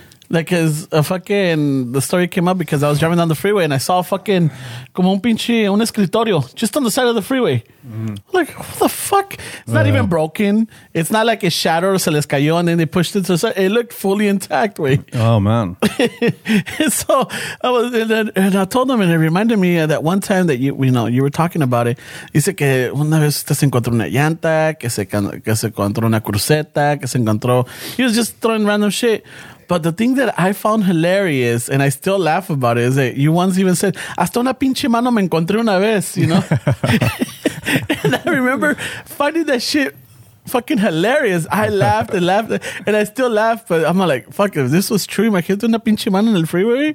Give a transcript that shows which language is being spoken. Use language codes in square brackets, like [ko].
[en] Like, as a fucking, the story came up because I was driving down the freeway, and I saw a fucking, [es] como un pinche, un escritorio, [en] just on the side of the freeway. Mm. Like, what the fuck? It's not even broken. It's not like it shattered or [es] se les cayó, [en] and then they pushed it to the side. It looked fully intact, wait. Oh, man. So, I was, and I told him, and it reminded me of that one time that you were talking about it. [es] Dice que una vez usted se encontró una llanta, que se encontró una cruceta, que se encontró. [en] He was just throwing random shit. But the thing that I found hilarious, and I still laugh about it, is that you once even said, [es] hasta una pinche mano me encontré una vez, [en] you know? And I remember finding that shit fucking hilarious. I laughed and laughed, and I still laugh, but I'm like, fuck, if this was true, my kid's [es] una pinche mano en el [en] freeway?